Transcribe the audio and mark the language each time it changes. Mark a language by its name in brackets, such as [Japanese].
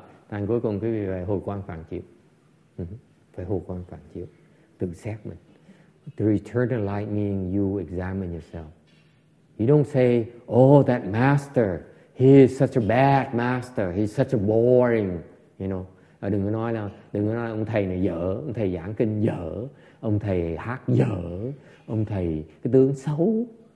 [Vietnamese] Thành cuối cùng quý vị phải hồi quang phản chiếu. Phải hồi quang phản chiếu. Tự xét mình. [English] To return the light means you examine yourself. You don't say, oh, that master, he is such a bad master, he's such a boring, you know. [Vietnamese] Đừng có nói là ông thầy này dở, ông thầy giảng kinh dở, ông thầy hát dở, ông thầy cái tướng xấu.